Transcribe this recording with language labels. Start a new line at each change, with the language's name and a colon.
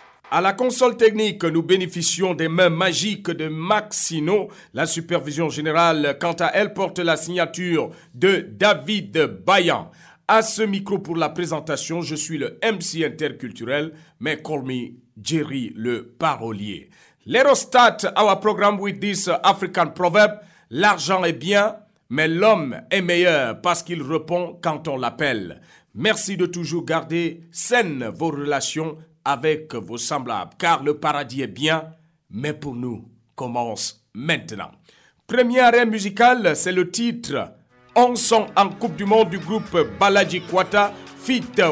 French: À la console technique, nous bénéficions des mains magiques de Maxino. La supervision générale, quant à elle, porte la signature de David Bayan. À ce micro pour la présentation, je suis le MC interculturel, mais
English: call me
French: Jerry le parolier.
English: Let us start our program with this African proverb.
French: L'argent est bien, mais l'homme est meilleur parce qu'il répond quand on l'appelle. Merci de toujours garder saines vos relations avec vos semblables, car le paradis est bien, mais pour nous, commence maintenant. Premier arrêt musical, c'est le titre « On sent en Coupe du Monde » du groupe Baladji Kwata, feat.